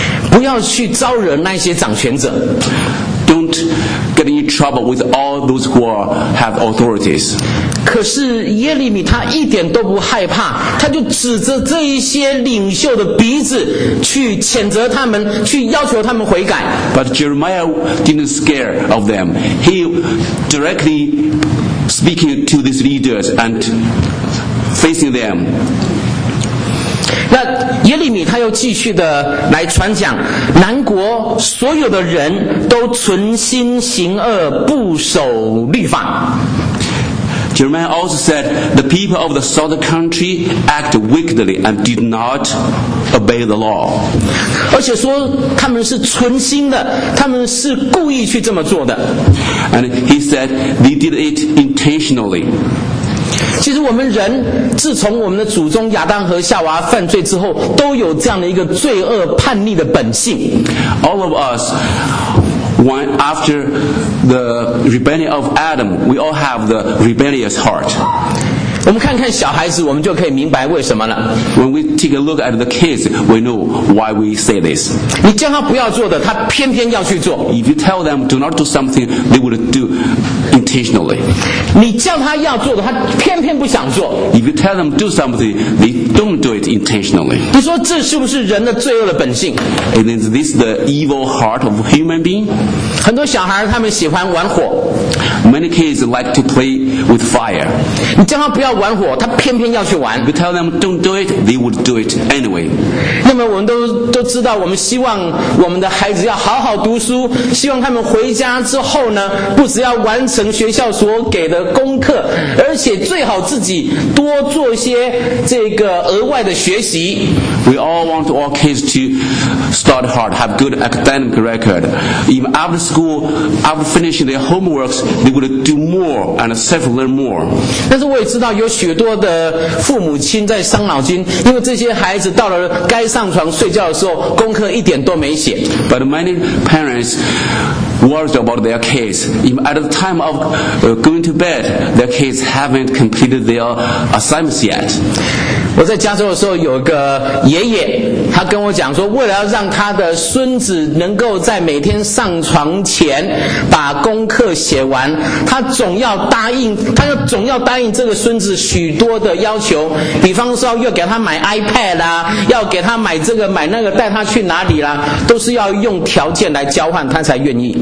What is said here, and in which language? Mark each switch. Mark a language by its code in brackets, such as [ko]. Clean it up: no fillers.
[zh] 不要去招惹那些掌权者。 [en] Don't get in trouble with all those who have authorities. [zh] 可是耶利米他一点都不害怕，他就指着这一些领袖的鼻子去谴责他们，去要求他们悔改。 [en] But Jeremiah didn't scare of them. He directly speaking to these leaders and facing them. [zh] 那耶利米他又继续的来传讲，南国所有的人都存心行恶，不守律法。 [en] Jeremiah also said the people of the southern country act wickedly and did not obey the law. [zh] 而且说他们是存心的，他们是故意去这么做的。 [en] And he said they did it intentionally. [zh] 其实我们人自从我们的祖宗亚当和夏娃犯罪之后，都有这样的一个罪恶叛逆的本性。 [en] All of us, when after the rebellion of Adam, we all have the rebellious heart. [zh] 我们看看小孩子，我们就可以明白为什么了。 [en] When we take a look at the kids, we know why we say this. [zh] 你叫他不要做的，他偏偏要去做。 [en] If you tell them do not do something, they would do. Intentionally. [zh] 你叫他要做的，他偏偏不想做。 [en] If you tell them do something, they don't do it intentionally. [zh] 你说这是不是人的罪恶的本性？ [en] Is this the evil heart of human being? [zh] 很多小孩他们喜欢玩火。 [en] Many kids like to play with fire. [zh] 你叫他不要玩火，他偏偏要去玩。 [en] If you tell them don't do it, they would do it anyway. [zh] 那么我们都知道，我们希望我们的孩子要好好读书，希望他们回家之后呢，不只要完成学校所给的功课，而且最好自己多做些这个额外的学习。 [en] We all want all kids to study hard, have good academic record. Even after school, after finishing their homeworks, they would do more and self-learn more. [zh] 但是我也知道有许多的父母亲在伤脑筋，因为这些孩子到了该上床睡觉的时候，功课一点都没写。 [en] But many parents worried about their kids. Even at the time of going to bed, their kids haven't completed their assignments yet. [zh] 我在加州的时候，有个爷爷，他跟我讲说，为了要让他的孙子能够在每天上床前把功课写完，他总要答应这个孙子许多的要求，比方说要给他买 iPad 啦，要给他买这个买那个，带他去哪里啦，都是要用条件来交换，他才愿意。